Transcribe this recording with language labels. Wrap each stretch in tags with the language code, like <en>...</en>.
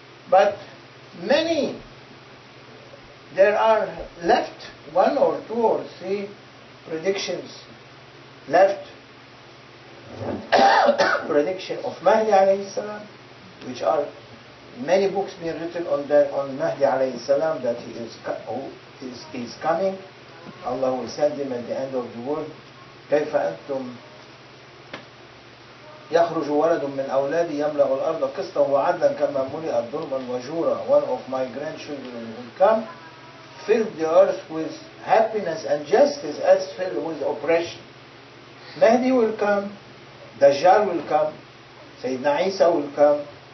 <en>But many, there are left one or two or three predictions left. Prediction of Mahdi alayhi salam, which are many books being written on that, on Mahdi alayhi salam, that he is coming. Allah will send him at the end of the world.</en> <ar>كيف أنتم يخرج ولد من أولادي يملأ الأرض قسطا وعدلا كما ملئت ظلما وجورا.</ar> <en>One of my grandchildren will come, fill the earth with happiness and justice as filled with oppression. Mahdi will come, Dajjal will come, Sayyidina Isa will come.</en>